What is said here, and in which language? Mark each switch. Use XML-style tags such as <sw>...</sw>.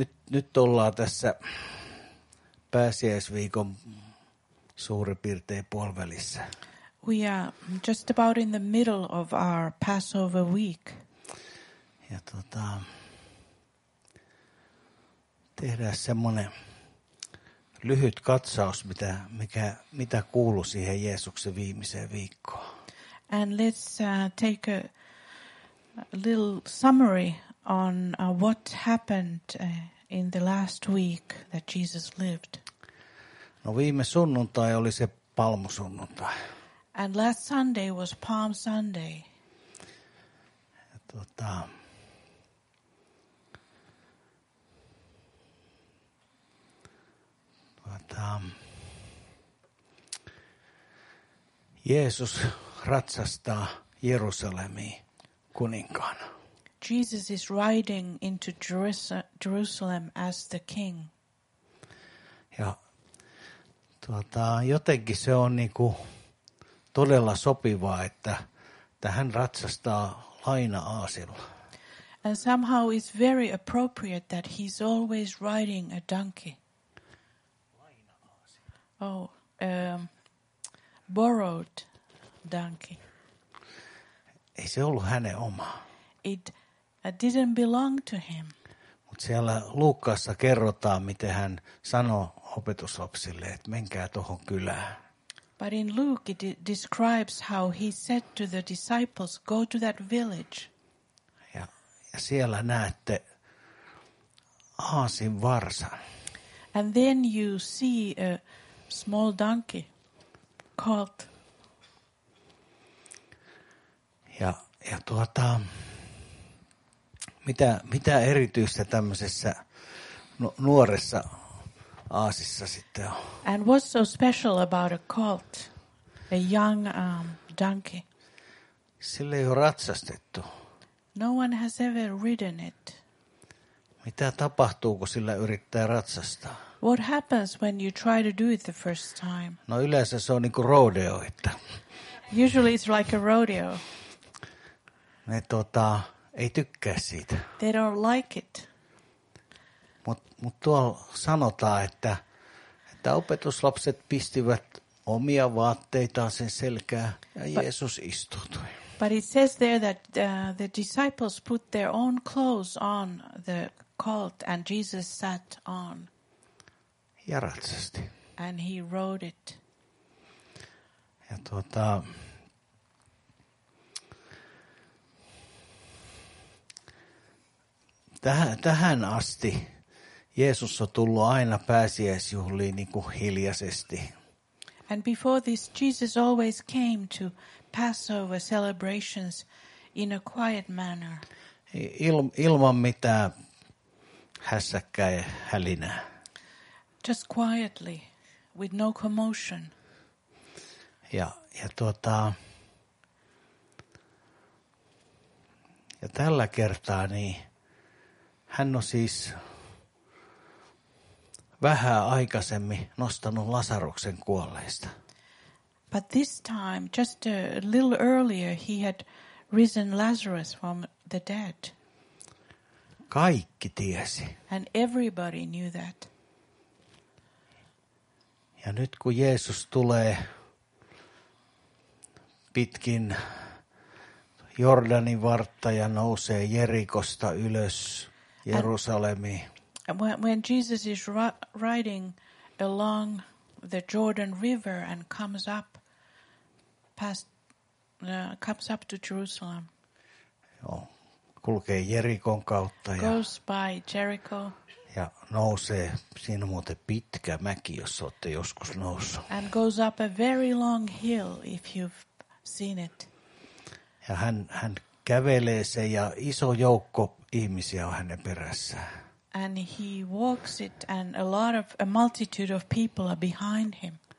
<fi>Nyt ollaan tässä pääsiäisviikon suurin piirtein puolivälissä.</fi> <en>We are just about in the middle of our Passover week.</en> <fi>Ja tehdään semmoinen lyhyt katsaus, mitä kuului siihen Jeesuksen viimeiseen viikkoon.</fi> <en>And let's take a little summary on what happened in the last week that Jesus lived.</en> <fi>No viime sunnuntai oli se palmusunnuntai.</fi> <en>And last Sunday was Palm Sunday.</en> <fi>Ja Jeesus ratsastaa Jerusalemiin kuninkaana.</fi> <en>Jesus is riding into Jerusalem as the king.</en> <fi>Ja jotenkin se on niinku todella sopivaa, että hän ratsastaa laina-aasilla.</fi> <en>And somehow it's very appropriate that he's always riding a donkey. Oh, borrowed donkey.</en> <fi>Ei se ollut hänen oma.</fi> <en>It didn't belong to him.</en> <fi>Mut siellä Luukkaassa kerrotaan, miten hän sanoi opetuslapsille, että menkää tuohon kylään.</fi> <en>But in Luke it describes how he said to the disciples, go to that village.</en> <fi>Ja siellä näette aasin varsan.</fi> <en>And then you see a small donkey called.</en> <fi>Ja tuota, mitä erityistä tämmöisessä nuoressa aasissa sitten on?</fi> <en>And what's so special about a colt, a young donkey?</en> <fi>Sille ei ole ratsastettu.</fi> <en>No one has ever ridden it.</en> <fi>Mitä tapahtuu, kun sillä yrittää ratsastaa?</fi> <en>What happens when you try to do it the first time?</en> <fi>No yleensä se on niin kuin rodeo, että.</fi> <en>Usually it's like a rodeo.</en> <fi>Ne tota, ei tykkää siitä.</fi> <en>They don't like it.</en> <fi>Mut tuolla sanotaan, että opetuslapset pistivät omia vaatteitaan sen selkään ja Jeesus istutui.</fi> <en>But it says there that the disciples put their own clothes on the colt and Jesus sat on.</en> <fi>Ja ratsasti.</fi> <en>And he rode it.</en> <fi>Ja tuota, tähän asti Jeesus on tullut aina pääsiäisjuhliin niin kuin hiljaisesti.</fi> <en>And before this Jesus always came to Passover celebrations in a quiet manner.</en> <fi>Ilman mitään hässäkkää ja hälinää.</fi> <en>Just quietly, with no commotion.</en> <fi>Ja tuota, ja tällä kertaa niin hän on siis vähän aikaisemmin nostanut Lasaruksen kuolleista.</fi> <en>But this time, just a little earlier, he had risen Lazarus from the dead.</en> <fi>Kaikki tiesi.</fi> <en>And everybody knew that.</en> <fi>Ja nyt kun Jeesus tulee pitkin Jordanin vartta ja nousee Jerikosta ylös Jerusalemiin.</fi> <en>When Jesus is riding along the Jordan River and comes up, comes up to Jerusalem.</en> <fi>Joo, kulkee Jerikon kautta ja</fi> <en>goes by Jericho.</en> <fi>Ja nousee, siinä on muuten pitkä mäki, jos olette joskus noussut.</fi> <en>And goes up a very long hill if you've seen it.</en> <fi>Ja hän kävelee se ja iso joukko ihmisiä on hänen perässään.</fi> <en>And he walks it and a multitude of people are behind him.</en>